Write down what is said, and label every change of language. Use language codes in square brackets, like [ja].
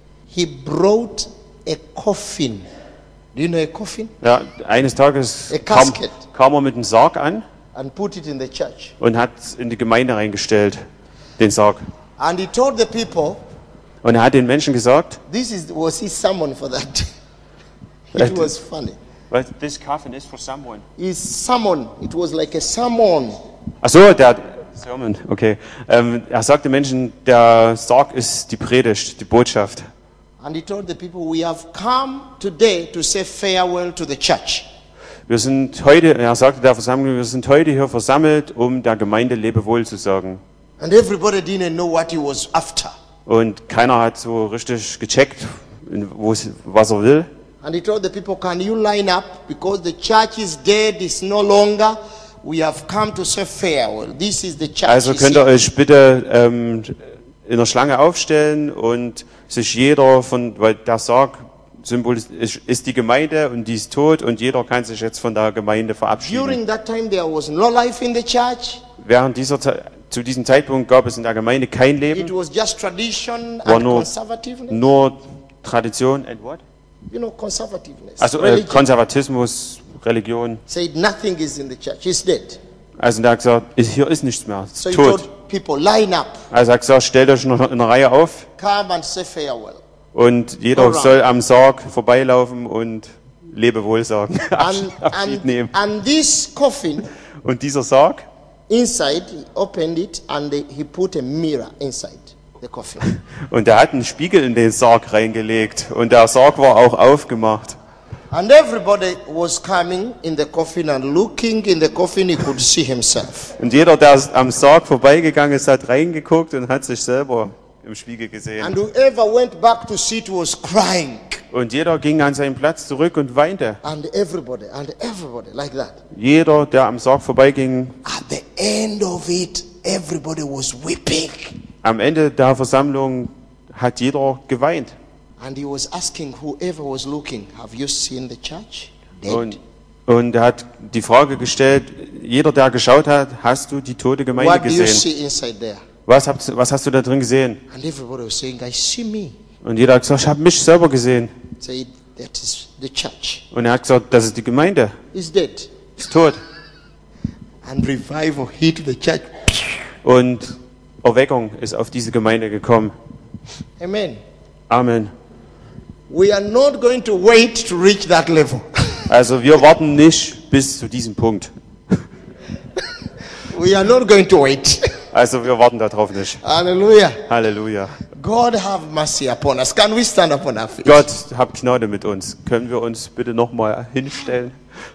[en] he brought a coffin. Do you know a coffin? [de] Ja, eines Tages kam er mit einem Sarg an [en] and put it in the church. [de] Und hat in die Gemeinde reingestellt, den Sarg. [en] And he told the people, [de] und er hat den Menschen gesagt, [en] this is, was his sermon for that. It was funny. But this coffin is for someone. It's someone. It was like a sermon. [de] Ach so, der Sermon, okay. Er sagt den Menschen, der Sarg ist die Predigt, die Botschaft. [en] And he told the people, we have come today to say farewell to the church. [de] Wir sind heute, er sagte der Versammlung, wir sind heute hier versammelt, um der Gemeinde Lebewohl zu sagen. [en] And everybody didn't know what he was after. [de] Und keiner hat so richtig gecheckt, was er will. [en] And he told the people, can you line up? Because the church is dead, it's no longer. We have come to say farewell. This is the church. [de] Also könnt ihr euch bitte in der Schlange aufstellen und sich jeder von, weil der Sarg ist die Gemeinde und die ist tot und jeder kann sich jetzt von der Gemeinde verabschieden. [en] During that time there was no life in the church. [de] Während dieser zu diesem Zeitpunkt gab es in der Gemeinde kein Leben. [en] It was just tradition [de] war [en] and conservativeness. [de] Nur Tradition [en] and what? You know, conservativeness. [de] Also Religion. Konservatismus, Religion. [en] Said nothing is in the church. It's dead. [de] Also er hat gesagt, hier ist nichts mehr. [en] So [de] tot. [en] He told people, line up. [de] Also er hat gesagt, stellt euch noch in der Reihe auf. [en] Come and say farewell. [de] Und jeder soll am Sarg vorbeilaufen und Lebewohl sagen. Abschied nehmen. [en] And this coffin. [de] Und dieser Sarg. [en] Inside, he opened it and he put a mirror inside the coffin. [de] Und er hat einen Spiegel in den Sarg reingelegt und der Sarg war auch aufgemacht. [en] And everybody was coming in the coffin and looking in the coffin, he could see himself. [de] Und jeder, der am Sarg vorbeigegangen ist, hat reingeguckt und hat sich selber im Spiegel gesehen. [en] And whoever went back to sit was crying. [de] Und jeder ging an seinen Platz zurück und weinte. [en] And everybody like that. [de] Jeder, der am Sarg vorbeiging. [en] At the end of it, everybody was weeping. [de] Am Ende der Versammlung hat jeder geweint. [en] And he was asking whoever was looking, have you seen the church? [de] Und er hat die Frage gestellt, jeder der geschaut hat, hast du die tote Gemeinde [en] what [de] gesehen? [en] Do you see inside there? [de] Was hast du da drin gesehen? [en] And everybody was saying, I see me. [de] Und jeder hat gesagt, ich habe mich selber gesehen. [en] Said, that is the church. [de] Und er hat gesagt, das ist die Gemeinde. [en] It's dead. [de] Ist tot. [en] And revival hit the church. [de] Und Erweckung ist auf diese Gemeinde gekommen. [en] Amen. [de] Amen. [en] We are not going to wait to reach that level. [de] Also wir warten nicht bis zu diesem Punkt. [en] We are not going to wait. [de] Also wir warten darauf nicht. [en] Hallelujah. [de] Hallelujah. [en] God have mercy upon us. Can we stand up on our feet? [de] Gott hab Gnade mit uns. Können wir uns bitte noch mal hinstellen?